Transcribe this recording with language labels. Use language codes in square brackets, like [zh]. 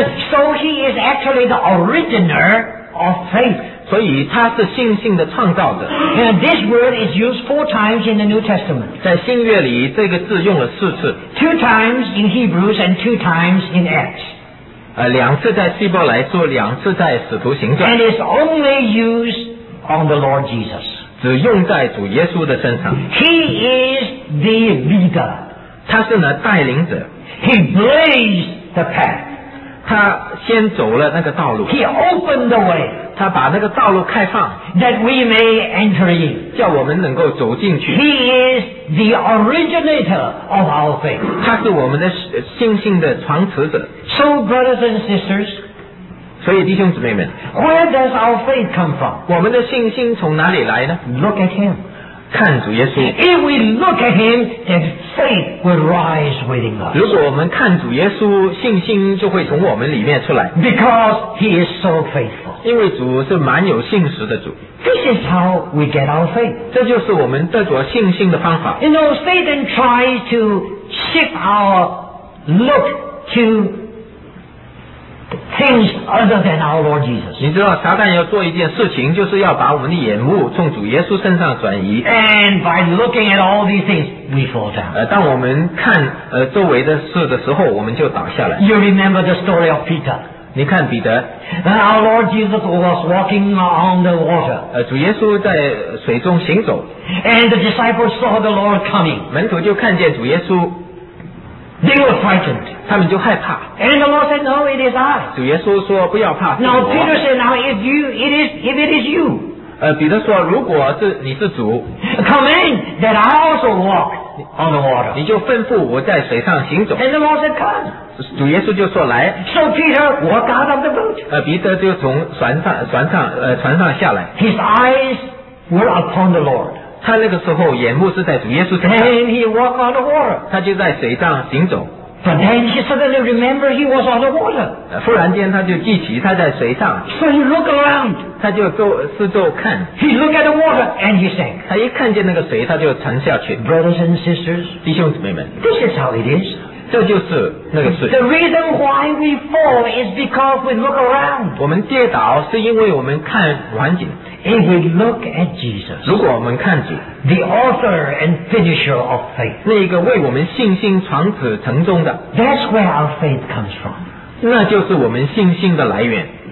[en] So he is actually the originer of faith. [zh] 所以他是信心的创造者。 [en] And this word is used four times in the New Testament. [zh] 在新约里这个字用了四次。 [en] Two times in Hebrews and two times in Acts. [zh] 两次在希伯来书，两次在使徒行传。 [en] And it's only used on the Lord Jesus. [zh] 只用在主耶稣的身上。 [en] He is the leader. [zh] 他是呢带领者。 [en] He blazed the path. [zh] 他先走了那个道路。 [en] He opened the way. [zh] 他把那个道路开放 [en] that we may enter in. [zh] 叫我们能够走进去。 [en] He is the originator of our faith. [zh] 他是我们的信心的创始者。 [en] So brothers and sisters, [zh] 所以弟兄姊妹们， [en] where does our faith come from? [zh] 我们的信心从哪里来呢？ [en] Look at him. [zh] 看主耶稣。 [en] If we look at him, then faith will rise within us. [zh] 如果我们看主耶稣，信心就会从我们里面出来。 [en] Because he is so faithful. [zh] 因为主是蛮有信实的主。 [en] This is how we get our faith. [zh] 这就是我们得着信心的方法。 [en] You know, Satan tries to shift our look to things other than our Lord Jesus. [zh] 你知道撒旦要做一件事情，就是要把我们的眼目从主耶稣身上转移。 [en] And by looking at all these things, we fall down. [zh] 当我们看周围的事的时候，我们就倒下来。 [en] You remember the story of Peter. [zh] 你看彼得。 [en] And our Lord Jesus was walking on the water. [zh] 主耶稣在水中行走。 [en] And the disciples saw the Lord coming. [zh] 门徒就看见主耶稣。 [en] They were frightened. [zh] 他们就害怕。 [en] And the Lord said, No, it is I. [zh] 主耶稣说不要怕。 [en] Now Peter said, Now if you, it is, if it is you. [zh] 彼得说如果是你是主。 [en] Come in, that I also walk on the water. [zh] 你就吩咐我在水上行走。 [en] And the Lord said, Come. [zh] 主耶稣就说来。 [en] So Peter walked out of the boat. [zh] 彼得就从船上下来。 [en] His eyes were upon the Lord. [zh] 他那个时候眼目是在主耶稣身上。 [en] And he walked on the water. [zh] 他就在水上行走。 [en] But then he suddenly remembered he was on the water. [zh] 忽然间他就记起他在水上。 [en] So he looked around. [zh] 他就四周看。 [en] He looked at the water and he sank. [zh] 他一看见那个水，他就沉下去。 [en] Brothers and sisters, [zh] 弟兄姊妹们， [en] this is how it is. [zh] 这就是那个事。 [en] The reason why we fall is because we look around. [zh] 我们跌倒是因为我们看环境。 [en] If we look at Jesus, [zh] 如果我们看主， [en] the author and finisher of faith, [zh] 那个为我们信心创始成终的， [en] that's where our faith comes from. [zh] 那就是我们信心的来源。